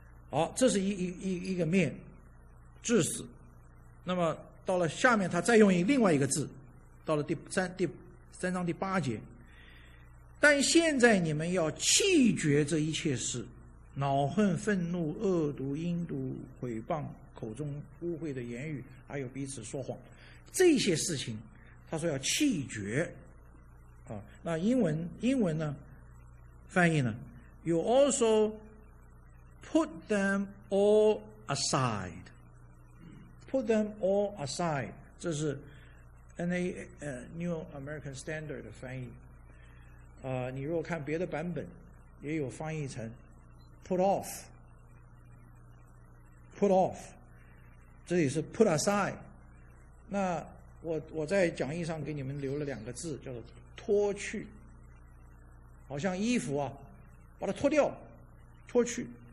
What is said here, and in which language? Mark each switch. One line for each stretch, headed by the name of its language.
Chinese: 好，这是一个面，致死。那么到了下面他再用另外一个字，到了第三章第八节，但现在你们要弃绝这一切事，恼恨、愤怒、恶毒、阴毒、毁谤、口中污秽的言语，还有彼此说谎，这些事情他说要弃绝啊。那英文呢翻译呢，
English: You also put them all aside， put them all aside，
Chinese: 这是
English: New American Standard
Chinese: 的翻译。你如果看别的版本也有翻译成
English: put off，
Chinese: 这里是
English: put aside。
Chinese: 那我在讲义上给你们留了两个字，叫做脱去，好像衣服啊，把它脱掉，脱去。